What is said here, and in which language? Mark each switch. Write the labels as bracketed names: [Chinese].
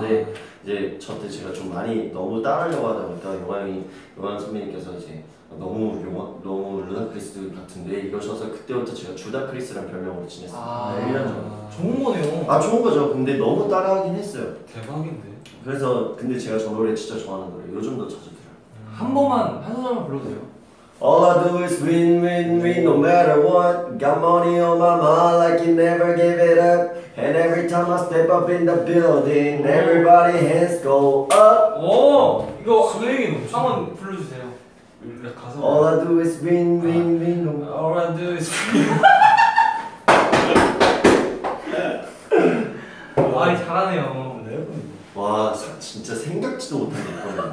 [Korean] 데 이제 저때 제가 좀 많이 너무 따라하려고 하다 보니까 용왕 선배님께서 이제 너무 너무 루다크리스 같은데 이러셔서 그때부터 제가 주다크리스란 별명으로 지냈습니다. 아, 네, 좋은 거네요. 아 좋은 거죠. 근데 너무 따라하긴 했어요. 대박인데. 그래서 근데 제가 저 노래 진짜 좋아하는 노래 요즘도 자주 들어요. 한 번만 한 소절만 불러주세요. [English] All I do is win, win, win, no matter what. Got money on my mind, like you never give it up. And every time I step up in the building, everybody hands go up. [Korean] 오, 이거 스윙 한번 불러주세요. 가서 [English] All I do is win, win, win. All I do is win. [Korean] 와, 잘하네요. 네. 와, 진짜 생각지도 못한 게 있거든.